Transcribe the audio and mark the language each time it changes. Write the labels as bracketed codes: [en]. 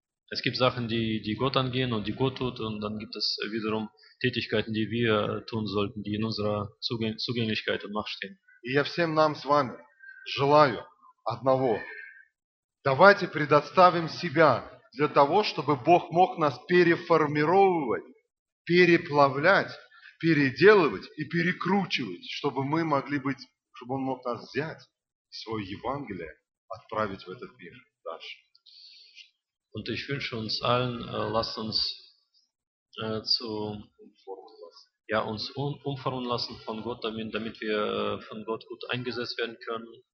[de] Es gibt Sachen, die Gott angehen und die Gott tut, und dann gibt es wiederum Tätigkeiten, die wir tun sollten, die in unserer Zugänglichkeit und Macht stehen. [ru] И я всем нам с вами желаю одного. Давайте предоставим себя для того, чтобы Бог мог нас переформировать, переплавлять, переделывать и перекручивать, чтобы мы могли быть, чтобы Он мог нас взять, свое Евангелие отправить в этот мир дальше. [de] Und ich wünsche uns allen, lasst uns umformen lassen von Gott, damit wir von Gott gut eingesetzt werden können.